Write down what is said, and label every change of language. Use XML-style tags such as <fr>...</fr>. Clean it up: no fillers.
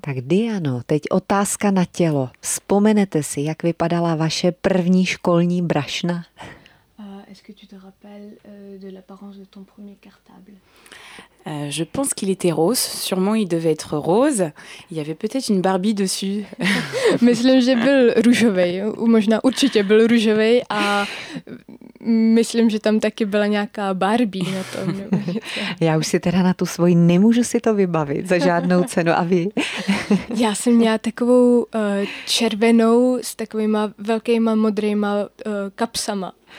<cs>Tak Diano, teď otázka na tělo. Vzpomenete si, jak vypadala vaše první školní brašna?</cs> <fr>Est-ce que tu te rappelles de l'apparence de ton premier cartable? Je pense qu'il était rose. Sûrement, il devait être rose. Il y avait peut-être une Barbie dessus.</fr> <cs>Myslím, že byl růžovej. Možná určitě byl růžovej. A myslím, že tam taky byla nějaká Barbie na tom. Já už si teda na tu svoji nemůžu si to vybavit za žádnou cenu. A vy? Já jsem měla takovou červenou s takovýma velkýma modrýma kapsama.</cs>